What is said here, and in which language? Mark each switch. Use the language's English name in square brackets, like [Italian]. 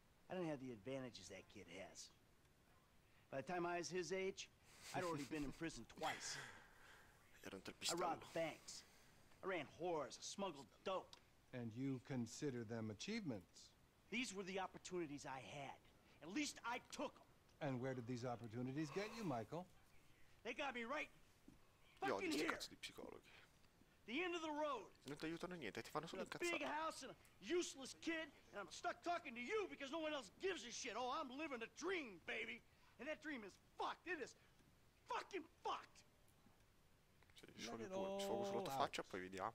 [English] I don't have the advantages that kid has. By the time I was his age, I'd already been in prison twice. I robbed banks. I ran whores. I smuggled dope. And you consider them achievements? These were the opportunities I had. At least I took them. And where did these opportunities get you, Michael? They got me right. [Italian] Io odio sti cazzo di psicologhi. [English] The end of the road. [Italian] Non ti aiutano niente, ti fanno solo incazzare. [English] Big house and a useless kid, and I'm stuck talking to you because no one else gives a shit. Oh, I'm living a dream, baby. And that dream is fucked. It is fucking fucked. [Italian] Se ci sono due, ci fuoco sulla tua faccia, poi vediamo.